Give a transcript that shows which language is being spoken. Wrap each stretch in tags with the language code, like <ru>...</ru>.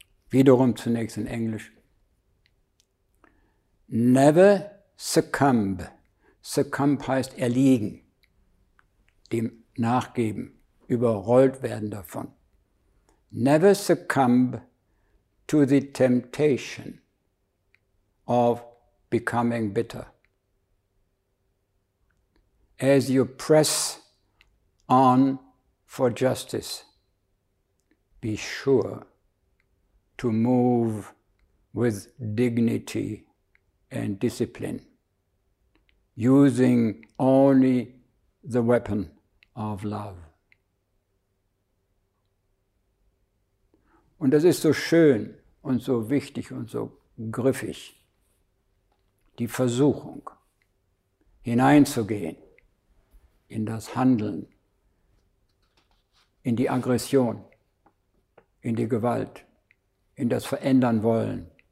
<de>Wiederum zunächst in Englisch.</de> <en>Never succumb.</en> <de>Succumb heißt erliegen, dem Nachgeben, überrollt werden davon.</de> <en>Never succumb to the temptation of becoming bitter. As you press on for justice, be sure to move with dignity and discipline, using only the weapon of love.</en> <de>Und das ist so schön und so wichtig und so griffig, die Versuchung hineinzugehen in das Handeln, in die Aggression, in die Gewalt, in das Verändern wollen.</de>